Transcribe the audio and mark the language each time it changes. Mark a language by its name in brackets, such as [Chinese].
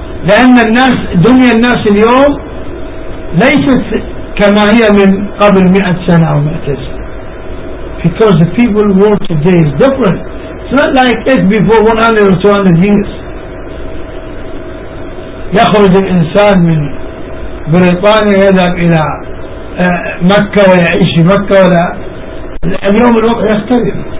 [Arabic] لأن الناس دنيا الناس اليوم ليست كما هي من قبل 100 سنة أو 200 سنة. [English] Because the people world today is different. It's not like it before 100 or 200 years. [Arabic] يخرج الإنسان من بريطانيا يذهب إلى مكة ويعيش في مكة, ولا اليوم الوقت يختلف.